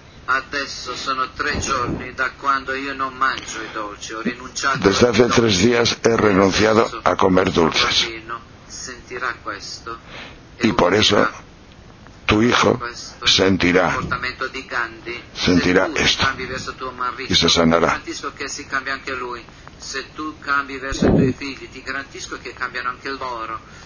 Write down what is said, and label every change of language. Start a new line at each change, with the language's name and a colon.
Italian: Adesso sono 3 giorni da quando io non mangio i dolci, ho rinunciato.
Spanish: Desde hace 3 días he renunciado a comer dulces.
Italian: Sentirà questo.
Spanish: Y por eso tu hijo sentirá.
Italian: Sentirà
Spanish: esto. Y se sanará.
Italian: Garantisco che si cambia anche lui. Se tu cambi verso i tuoi figli, ti garantisco che cambiano anche loro.